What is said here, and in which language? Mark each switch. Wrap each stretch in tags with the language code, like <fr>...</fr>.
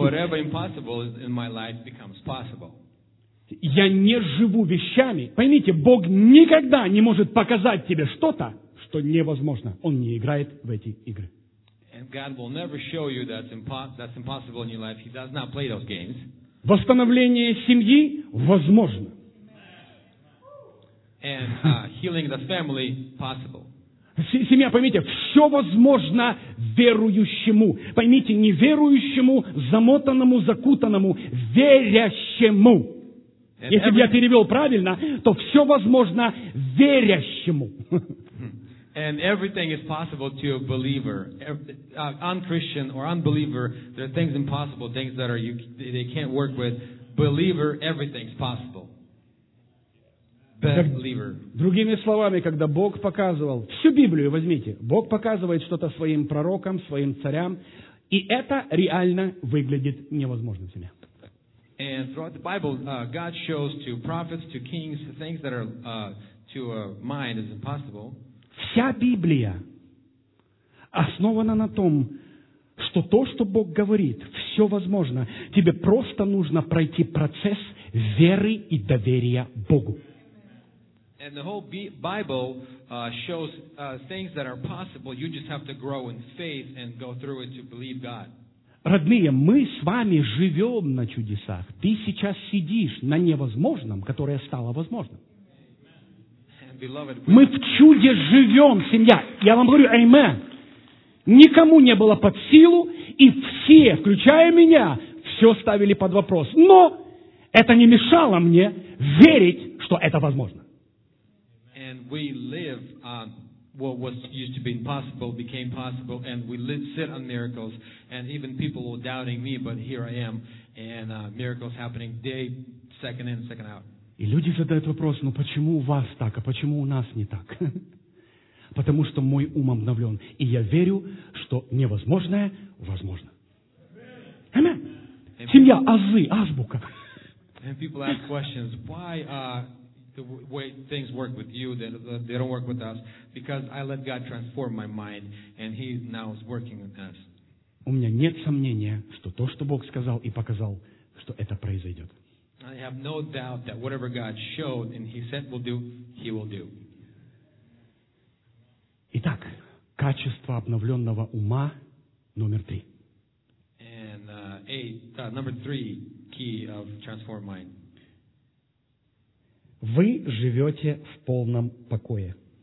<en>Whatever impossible in my life becomes possible.</en> <ru>Я не живу вещами. Поймите, Бог никогда не может показать тебе что-то, что невозможно. Он не играет в эти игры.</ru> <en>And God will never show you that's impossible in your life. He does not play those games.</en> <ru>Восстановление семьи возможно.</ru> <en>And, healing the family possible.</en> <ru>Семья, поймите, все возможно верующему. Поймите, неверующему, замотанному, закутанному, верящему. And если бы я перевел правильно, то все возможно верящему.</ru> <en>And everything is possible to a believer. Un-Christian or unbeliever, there are things impossible, things that are they can't work with. Believer, everything's possible. Believer.</en> <ru>Другими словами, когда Бог показывал, всю Библию возьмите, Бог показывает что-то своим пророкам, своим царям, и это реально выглядит невозможным себе.</ru> <en>And throughout the Bible, God shows to prophets, to kings, things that are to a mind is impossible.</en> <ru>Вся Библия основана на том, что то, что Бог говорит, все возможно. Тебе просто нужно пройти процесс веры и доверия Богу.</ru> <en>And the whole Bible shows things that are possible. You just have to grow in faith and go through it to believe God.</en> <ru>Родные, мы с вами живем на чудесах. Ты сейчас сидишь на невозможном, которое стало возможным. Мы в чуде живем, семья. Я вам говорю, аймен. Никому не было под силу, и все, включая меня, все ставили под вопрос. Но это не мешало мне верить, что это возможно.</ru> <en>And we live on what was used to be impossible became possible, and we live sit on miracles, and even people were doubting me, but here I am, and miracles happening day, second in, second out.</en> <ru>И люди задают вопрос, ну почему у вас так, а почему у нас не так? Потому что мой ум обновлен, и я верю, что невозможное возможно. Amen. Семья, азы, азбука.</ru> <en>And people ask questions, why the way things work with you, they don't work with us, because I let God transform my mind, and he now is working with us.</en> <ru>У меня нет сомнения, что то, что Бог сказал и показал, что это произойдет.</ru> <en>I have no doubt that whatever God showed and he said will do, he will do.</en> <ru>Итак, качество обновленного ума номер три.</ru> <en>And number three key of transformed mind.</en> <ru>Вы живете в полном покое.</ru>